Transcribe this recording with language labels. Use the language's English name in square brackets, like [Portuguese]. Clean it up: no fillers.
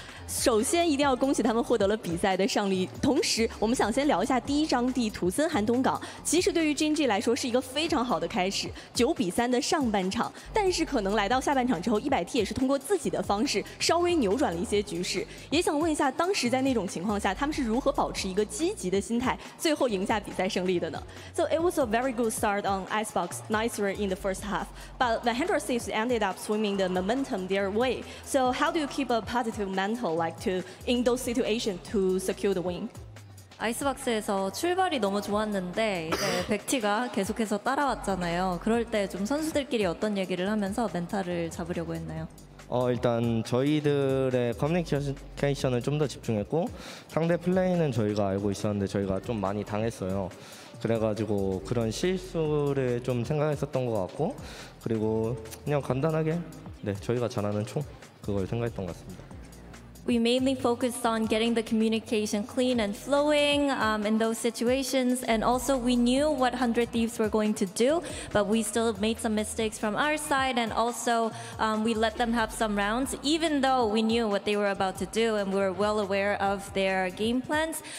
[Chinese] 首先一定要恭喜他们获得了比赛的胜利，同时我们想先聊一下第一张地图森寒冬港。其实对于 GNG 来说是一个非常好的开始，9-3的上半场，但是可能来到下半场之后，100T 也是通过自己的方式稍微扭转了一些局势。也想问一下，当时在那种情况下，他们是如何保持一个积极的心态，最后赢下比赛胜利的呢？ [English] So it was a very good start on Icebox, nicer in the first half, but the 100 Thieves ended up swimming the momentum their way. So how do you keep a positive mental like to in those situations to secure the win? [Korean] 아이스박스에서 출발이 너무 좋았는데 이제 백티가 계속해서 따라왔잖아요. 그럴 때 좀 선수들끼리 어떤 얘기를 하면서 멘탈을 잡으려고 했나요? 일단 저희들의 커뮤니케이션을 좀 더 집중했고 상대 플레이는 저희가 알고 있었는데 저희가 좀 많이 당했어요. 그래가지고 그런 실수를 좀 생각했었던 것 같고 그리고 그냥 간단하게 네 저희가 잘하는 총 그걸 생각했던 것 같습니다. [English] We mainly focused on getting the communication clean and flowing in those situations. And also we knew what 100 Thieves were going to do, but we still made some mistakes from our side. And also we let them have some rounds, even though we knew what they were about to do and we were well aware of their game plans.